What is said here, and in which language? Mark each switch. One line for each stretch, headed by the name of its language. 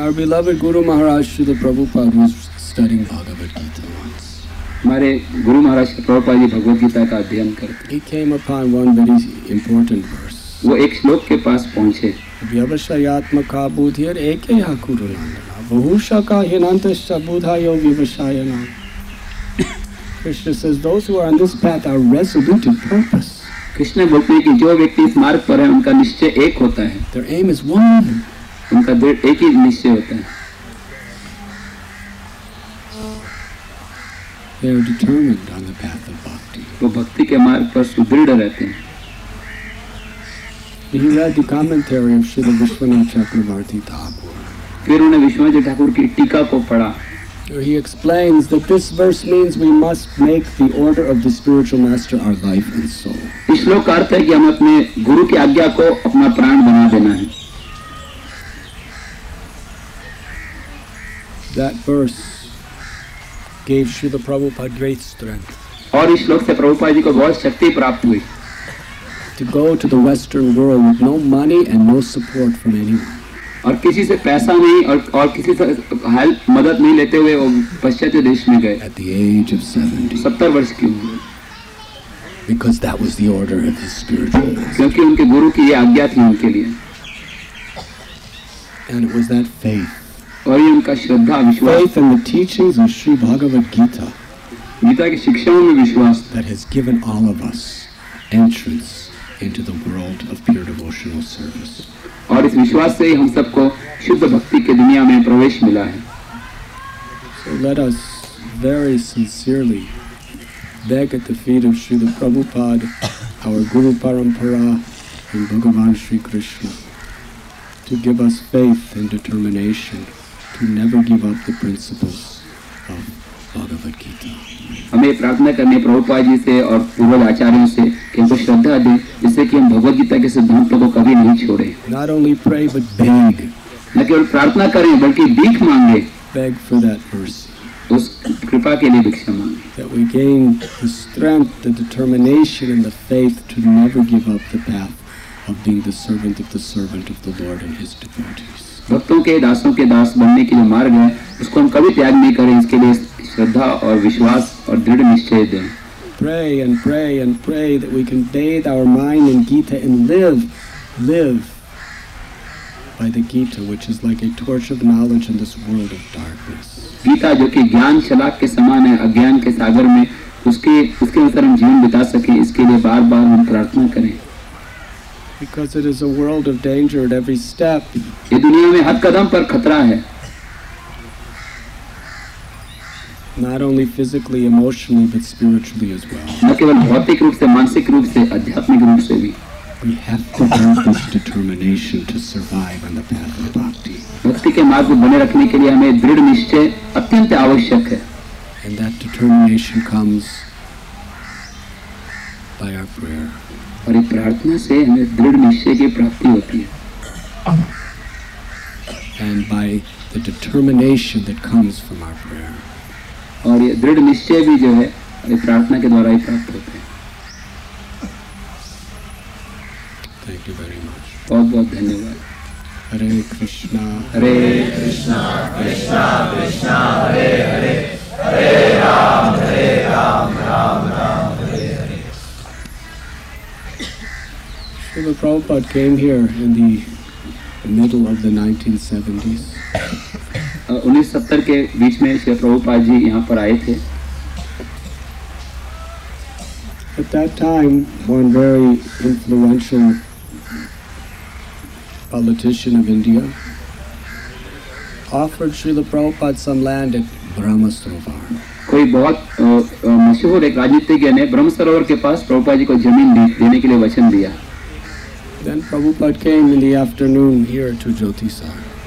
English: Our beloved Guru Maharaj Srila Prabhupada was studying Bhagavad Gita once.
Hindi: हमारे गुरु महाराज प्रभुपाद जी भगवद गीता का अध्ययन करते.
English: He came upon one very important verse.
Hindi: वो एक श्लोक के पास पहुंचे.
Sanskrit: व्यवसायात्मका बुद्धिर एकेह गुरु नंदना बहुशका हिनंतश्च बुधायो व्यवसायना.
English: Krishna says those who are on this path are resolute in purpose.
Hindi: Krishna बोलते हैं कि जो व्यक्ति इस मार्ग पर है उनका निश्चय एक होता है.
English: Their aim is one.
Hindi: उनका दृढ़ एक ही निश्चय होता है.
English: They are determined on the path of bhakti.
Hindi: वो भक्ति के मार्ग पर सुदृढ़ रहते हैं.
English: He read the commentary of Srila Vishwanatha Chakravarti Thakur.
Hindi: फिर उन्होंने विश्वनाथ ठाकुर की टीका को पढ़ा.
English: He explains that this verse means we must make the order of the spiritual master our life and soul.
Hindi: इस श्लोक का अर्थ है कि हम अपने गुरु की आज्ञा को अपना प्राण बना देना है.
English: That verse gave Srila Prabhupada great strength.
Hindi: और इस श्लोक से प्रभुपाद जी को बहुत शक्ति प्राप्त हुई.
English: To go to the Western world with no money and no support from anyone.
Hindi: और किसी से पैसा नहीं और किसी से हेल्प मदद नहीं लेते हुए वो पश्चात देश में गए.
English: At the age of 70.
Hindi: 70 वर्ष की उम्र.
English: Because that was the order of his spiritual master.
Hindi: क्योंकि उनके गुरु की ये आज्ञा थी उनके लिए.
English: And it was that faith.
Hindi: और ये उनका श्रद्धा विश्वास.
English: Faith in the teachings of Sri Bhagavad Gita.
Hindi: Gita की शिक्षाओं में विश्वास.
English: That has given all of us entrance into the world of pure devotional service.
Hindi: और इस विश्वास से ही हम सबको शुद्ध भक्ति के दुनिया में प्रवेश मिला है.
English: So let us very sincerely beg at the feet of Srila Prabhupada, our Guru Parampara, and Bhagavan Sri Krishna, to give us faith and determination to never give up the principles of Bhagavad Gita.
Hindi: हमें प्रार्थना करनी है प्रभुपाद जी से और पूर्व आचार्यों से कि हमको श्रद्धा दें जिससे कि हम भगवद गीता के सिद्धांत को कभी नहीं छोड़े.
English: Not only pray but beg.
Hindi: न केवल प्रार्थना करें बल्कि भीख मांगे.
English: Beg for that mercy.
Hindi: उस कृपा के लिए भिक्षा मांगे.
English: That we gain the strength, the determination and the faith to never give up the path of being the servant of the servant of the Lord and his devotees.
Hindi: भक्तों के दासों के दास बनने के लिए मार्ग है उसको हम कभी त्याग नहीं करें इसके लिए श्रद्धा और विश्वास और दृढ़ निश्चय दें.
English: Pray and pray and pray that we can bathe our mind in Gita and live by the Gita which is like a torch of knowledge in this world of darkness.
Hindi: Gita जो कि ज्ञान शलाक के समान है अज्ञान के सागर में उसके अंदर हम जीवन बिता सके इसके लिए बार बार हम प्रार्थना करें.
English: Because it is a world of danger at every step.
Hindi: ये दुनिया में हर कदम पर खतरा है.
English: Not only physically, emotionally, but spiritually as well.
Hindi: ना केवल भौतिक रूप से, मानसिक रूप से, आध्यात्मिक रूप से भी.
English: We have to have this determination to survive on the path of bhakti.
Hindi: भक्ति के मार्ग को बने रखने के लिए हमें दृढ़ निश्चय अत्यंत आवश्यक है.
English: And that determination comes by our prayer.
Hindi: और ये प्रार्थना से हमें दृढ़ निश्चय की प्राप्ति होती है.
English: And by the determination that comes from our prayer.
Hindi: और ये दृढ़ निश्चय भी जो है ये प्रार्थना के द्वारा ही प्राप्त होते हैं.
English: Thank you very much.
Hindi: बहुत बहुत धन्यवाद.
Sanskrit: हरे Krishna Krishna Krishna Hare Hare Hare Ram Ram Ram Hare Hare.
English: Srila Prabhupada came here in the middle of the 1970s.
Hindi: 1970 के बीच में श्री प्रभुपाद जी यहाँ पर आए थे.
English: At that time, one very influential politician of India offered Srila Prabhupada some land at Brahmasarovar.
Hindi: कोई बहुत मशहूर एक राजनीतिज्ञ ने ब्रह्मसरोवर के पास प्रभुपाद जी को जमीन देने के लिए वचन दिया.
English: Then Prabhupada came in the afternoon here to Jyotisar.